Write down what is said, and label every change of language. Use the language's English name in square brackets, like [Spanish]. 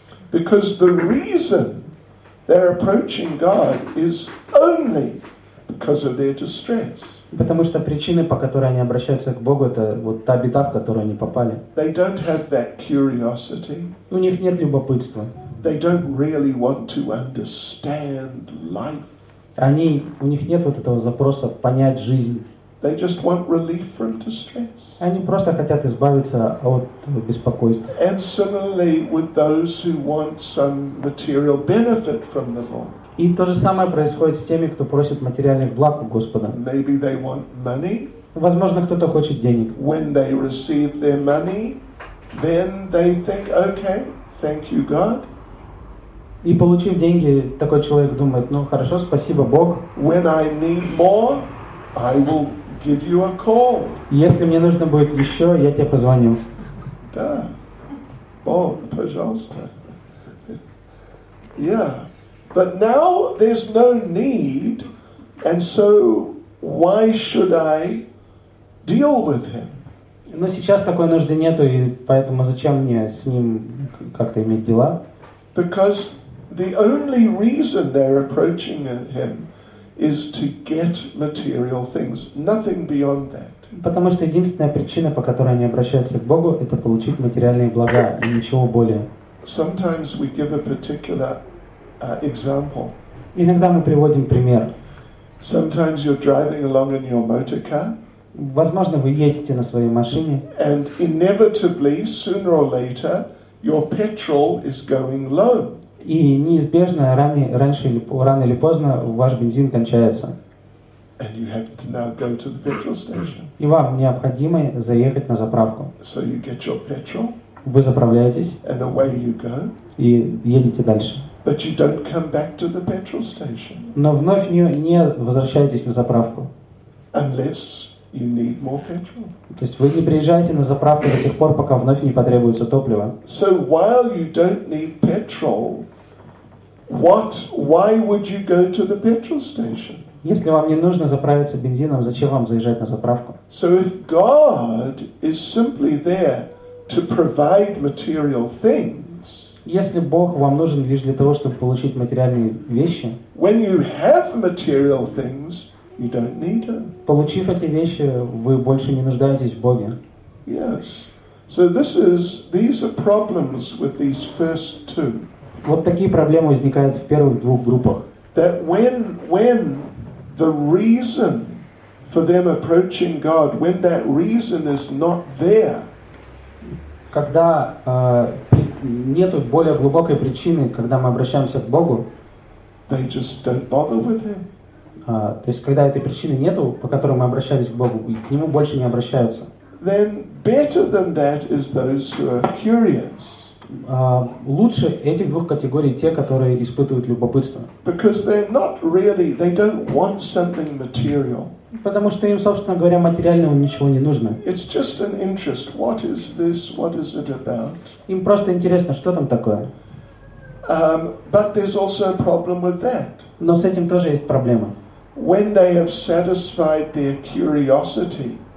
[English] Because the reason they're approaching God is only because of their distress. [Russian] Потому что причины, по которой они обращаются к Богу, это вот та беда, в которую они попали. [English] They don't have that curiosity. [Russian] У них нет любопытства. [English] They don't really want to understand life. [Russian] Они, у них нет вот этого запроса понять жизнь. [English] They just want relief from distress. [Russian] Они просто хотят избавиться от беспокойств. [English] And similarly with those who want some material benefit from the Lord. [Russian] И то же самое происходит с теми, кто просит материальных благ у Господа. [English] Maybe they want money. [Russian] Возможно, кто-то хочет денег. [English] When they receive their money, then they think, okay, thank you, God. [Russian] И получив деньги, такой человек думает: ну хорошо, спасибо, Бог. [English] When I need more, I will give you a call. [Russian] Если мне нужно будет еще, я тебе позвоню. Да. Бог, пожалуйста. [English] Yeah. But now there's no need, and so why should I deal with him? [Russian] Но сейчас такой нужды нету, и поэтому зачем мне с ним как-то иметь дела? [English] Because the only reason they're approaching him is to get material things. Nothing beyond that. [Russian] Потому что единственная причина, по которой они обращаются к Богу, это получить материальные блага и ничего более. [English] Sometimes we give a particular example. [Russian] Иногда мы приводим пример. [English] Sometimes you're driving along in your motor car. [Russian] Возможно, вы едете на своей машине. [English] And inevitably, sooner or later, your petrol is going low. [Russian] И неизбежно рано или поздно ваш бензин кончается. [English] And you have to now go to the petrol station. [Russian] И вам необходимо заехать на заправку. [English] So you get your petrol. [Russian] Вы заправляетесь. [English] And away you go. [Russian] И едете дальше. [English] But you don't come back to the petrol station. [Russian] Но вновь не возвращаетесь на заправку. [English] Unless you need more petrol. [Russian] То есть вы не приезжаете на заправку до тех пор, пока вновь не потребуется топливо. [English] So while you don't need petrol, what? Why would you go to the petrol station? [Russian] Если вам не нужно заправиться бензином, зачем вам заезжать на заправку? [English] So if God is simply there to provide material things. [Russian] Если Бог вам нужен лишь для того, чтобы получить материальные вещи, [English] when you have material things, you don't need them. [Russian] Получив эти вещи, вы больше не нуждаетесь в Боге. [English] Yes. So these are problems with these first two. [Russian] Вот такие проблемы возникают в первых двух группах. [English] That when the reason for them approaching God, when that reason is not there. [Russian] Когда нету более глубокой причины, когда мы обращаемся к Богу. [English] They just don't bother with him. [Russian] То есть, когда этой причины нету, по которой мы обращались к Богу, и к нему больше не обращаются. [English] Then better than that is those who are curious. [Russian] Лучше этих двух категорий те, которые испытывают любопытство. [English] Because they're not really, they don't want something material. [Russian] Потому что им, собственно говоря, материального ничего не нужно. [English] It's just an interest. What is this? What is it about? [Russian] Им просто интересно, что там такое. [English] But there's also a problem with that. [Russian] Но с этим тоже есть проблема. [English] When they have satisfied their curiosity.